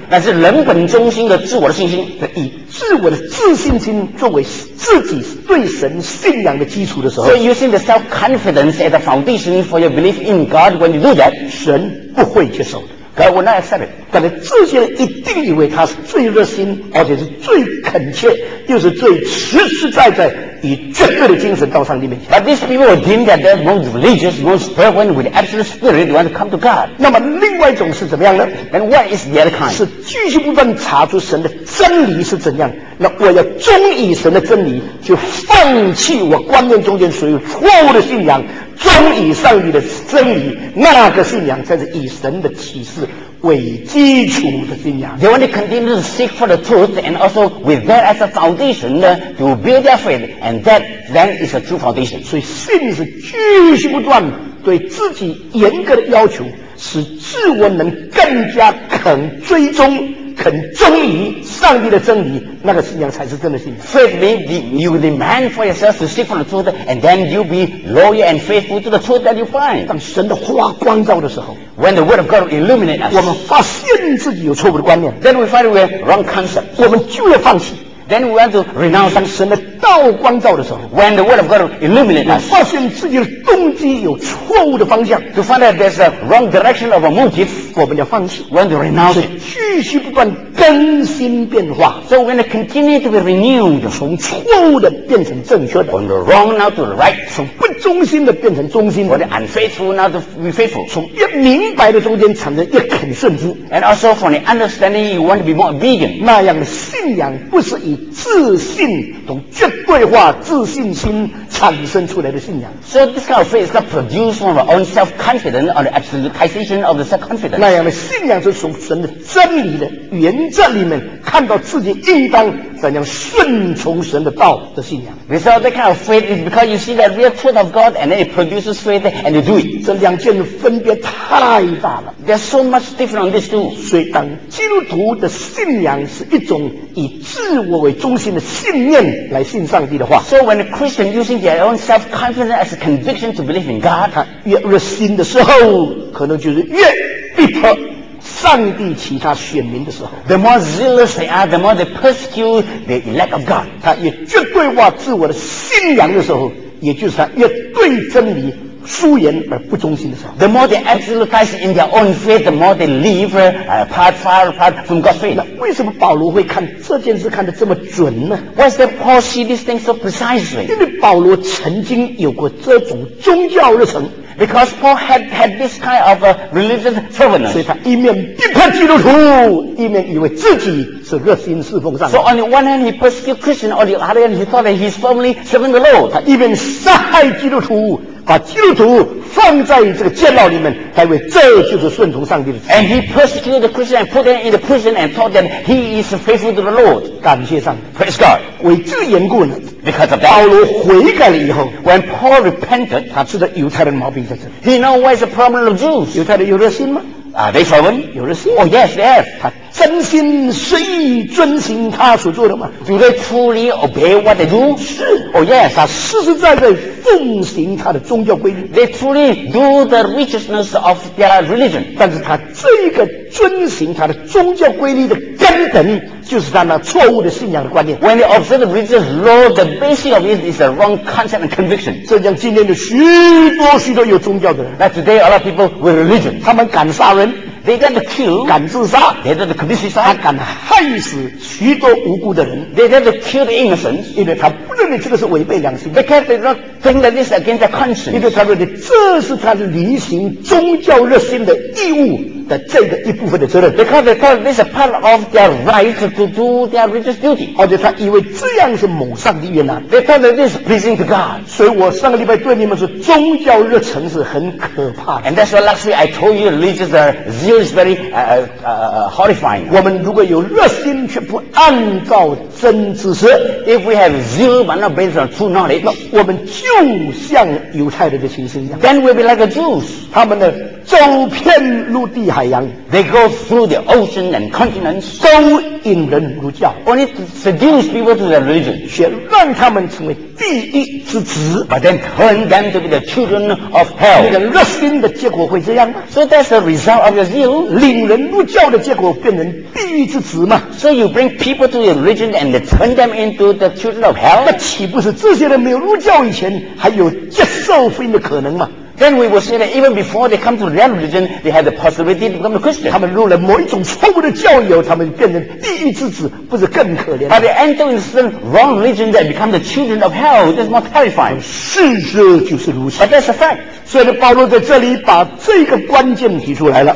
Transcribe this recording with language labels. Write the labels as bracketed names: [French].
[Chinese] 那是人本中心的自我的信心，以自我的自信心作为自己对神信仰的基础的时候。 [English] So using the self confidence as a foundation for your belief in God, when you do that， [Chinese] 神不会接受的。 [English] God will not accept it。 [Chinese] 但是这些人一定以为他是最热心，而且是最恳切，又是最实实在在。以绝对的精神到上帝面前。 [English] But these people will deem that they're most religious, most fervent with absolute spirit, they want to come to God. [Chinese] 那么另外一种是怎么样呢？ [English] Then what is the other kind? [Chinese] 是继续不断查出神的真理是怎样。那我要忠于神的真理，就放弃我观念中间所有错误的信仰，忠于上帝的真理，那个信仰才是以神的启示为基础的信仰。 [English] They want to continue to seek for the truth and also with that as a foundation to build their faith and that then is a true foundation. [Chinese] 所以信是继续不断对自己严格的要求，使自我能更加肯追踪肯忠于上帝的真理，那个信仰才是真的信仰。 [English] Faith means you demand for yourself to seek for the truth, and then you be loyal and faithful to the truth that you find. [Chinese] 当神的话光照的时候 [English] ，when the word of God illuminates us， [Chinese] 我们发现自己有错误的观念 [English] ，then we find we're wrong concept， [Chinese] 我们就要放弃。 [English] Then we want to renounce. [Chinese] 当神的道光照的时候 [English] ，when the word of God illuminates us， [Chinese] 发现自己的动机有错误的方向 [English] ，to find that there's a wrong direction of a motive， [Chinese] 我们要放弃。 [English] We want to renounce. [Chinese] 继续不断更新变化 [English] ，so we want to continue to be renewed. [Chinese] 从错误的变成正确的 [English] ，from the wrong now to the right. [Chinese] 从不忠心的变成忠心的 [English] ，from the unfaithful now to be faithful. [Chinese] 从越明白的中间产生越肯顺服 [English] ，and also from the understanding you want to be more obedient. [Chinese] 那样的信仰不是以自信从绝对化自信心产生出来的信仰。 [English] So this kind of faith is not produced from our own self-confidence or the absolutization of the self-confidence. [Chinese] 那样的信仰是从神的真理的原则里面看到自己应当怎样顺从神的道的信仰。 [English] Without that kind of faith is because you see that real truth of God and then it produces faith and you do it. [Chinese] 这两件分别太大了。 [English] There's so much different on this too. [Chinese] 所以当基督徒的信仰是一种以自我为中心的信念来信上帝的话。 [English] So when a Christian using their own self-confidence as a conviction to believe in God, [Chinese] 他越热心的时候，可能就是越逼迫上帝其他选民的时候。 [English] The more zealous they are, the more they persecute the elect of God. [Chinese] 他越绝对化自我的信仰的时候，也就是他越对真理疏远而不忠心的时候。 [English] The more they absolutize in their own faith, the more they live apart, far apart from God's faith. [Chinese] 那为什么保罗会看这件事看得这么准呢？ [English] Why does Paul see these things so precisely? [Chinese] 因为保罗曾经有过这种宗教热忱。 [English] Because Paul had this kind of a religious fervent. [Chinese] 所以他一面逼迫基督徒，一面以为自己是热心侍奉上帝。 [English] So on the one hand he persecuted Christians, on the other hand he thought that he's firmly serving the Lord. [Chinese] 他一面杀害基督徒，把基督徒放在这个监牢里面，他以为这就是顺从上帝的。 [English] And he persecuted the Christians and put them in the prison and taught them he is faithful to the Lord. [Chinese] 感谢上帝。 [English] Praise God. [Chinese] 为这个缘故呢。 [English] Because of that, [Chinese] 保罗悔改了以后 [English] ，When Paul repented， [Chinese] 他知道犹太人的毛病在这里。 [English] He know what's the problem of Jews。 [Chinese] 犹太人有热心吗？ [English] They fervent。 [Chinese] 有热心。 [English] Oh yes, they have。 [Chinese] 他真心实意遵行他所做的吗 [English] ？Do they truly obey what they do？ [Chinese] 是。 [English] Oh yes， [Chinese] 他实实在在奉行他的宗教规律。 [English] They truly do the righteousness of their religion。 [Chinese] 但是他这个遵行他的宗教规律的根本。就是他那错误的信仰的观念。 [English] When they observe the religious law, the basis of it is a wrong concept and conviction. [Chinese] 这将今天的许多许多有宗教的人。 [English] That today a lot of people with religion. [Chinese] 他们敢杀人。 [English] They got to kill. [Chinese] 敢自杀。 [English] They got to commit suicide. [Chinese] 他敢害死许多无辜的人。 [English] They got to kill the innocent. [Chinese] 因为他不认为这个是违背良心。 [English] Because they don't think that this is against their conscience. [Chinese] 因为他认为这是他的履行宗教热心的义务。的这个一部分的责任 [English] because this is a part of their right to do their religious duty [Chinese] 而且他以为这样是蒙上帝悦纳 [English] they thought that this is pleasing to God [Chinese] 所以我上个礼拜对你们说宗教热忱是很可怕的 [English] and that's why last week I told you religious zeal is very horrifying [Chinese] 我们如果有热心却不按照真知识 [English] if we have zeal but not based on true knowledge [Chinese] 那我们就像犹太人的形式一样 [English] then we'll be like a Jews [Chinese] 他们的走遍陆地海洋 [English] They go through the ocean and continents [Chinese] 收引人入教 [English] Only to seduce people to their religion [Chinese] 却让他们成为地狱之子 [English] But then turn them to be the children of hell [Chinese] 你的热心的结果会这样吗 [English] So that's the result of your zeal [Chinese] 领人入教的结果变成地狱之子吗 [English] So you bring people to your religion and turn them into the children of hell [Chinese] 那岂不是这些人没有入教以前还有接受福音的可能吗 [English] Then we will say that even before they come to their religion, they had the possibility to become a Christian. [Chinese] 他们入了某一种错误的教友，他们变成地狱之子，不是更可怜 [English] ？But they enter into some wrong religion, they become the children of hell. That's more terrifying. [Chinese] 事实就是如此。 [English] But that's a fact. [Chinese] 所以保罗在这里把这个关键提出来了。